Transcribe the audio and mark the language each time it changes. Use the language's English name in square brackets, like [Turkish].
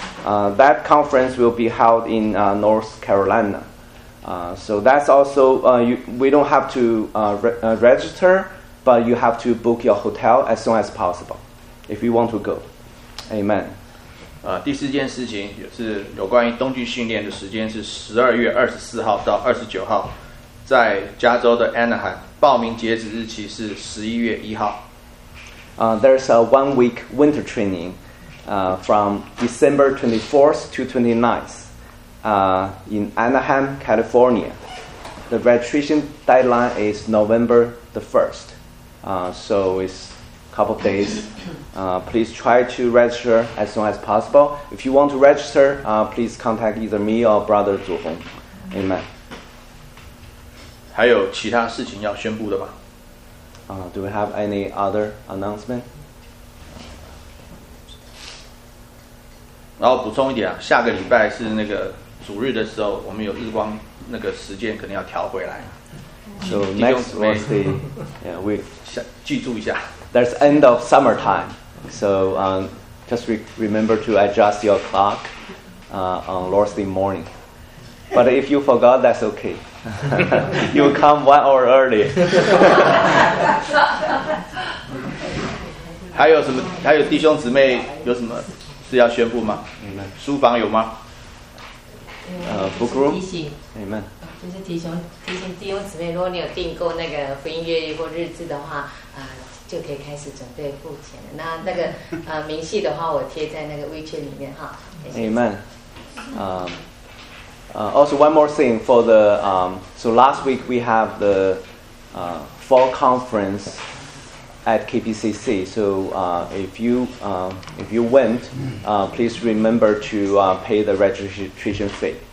[English] That conference will be held in North Carolina. So that's also, we don't have to register, but you have to book your hotel as soon as possible if you want to go. Amen. [Chinese] 第四件事情也是有关于冬季训练的，时间是12月24号到29号，在加州的 Anaheim， 报名截止日期是11月1号。 [English] There's a 1 week winter training, from December 24th to 29th, in Anaheim, California. The registration deadline is November the 1st, so it's couple of days. Please try to register as soon as possible. If you want to register, please contact either me or Brother Zhu Hong. Amen. [Chinese] 还有其他事情要宣布的吗？ [English] Do we have any other announcement? [Chinese] 然后补充一点啊，下个礼拜是那个主日的时候，我们有日光那个时间，可能要调回来。 [English] So next Wednesday, we [Chinese] 记住一下。 [English] That's end of summer time, so just remember to adjust your clock on Lord's Day morning. But if you forgot, that's okay. You will come 1 hour early. [Chinese] 还有什么？还有弟兄姊妹有什么？是要宣布吗？ [English] Amen. [Chinese] 书房有吗？ [English] Book room. [Chinese] 提醒。 [English] Amen. [Chinese] 就是提醒弟兄姊妹，如果你有订购那个福音月历或日志的话，就可以开始准备付钱了。那个明细的话，我贴在那个微圈里面哈。 [English] Amen. Also one more thing for the so last week we have the fall conference. At KPCC, so if you went, please remember to pay the registration fee.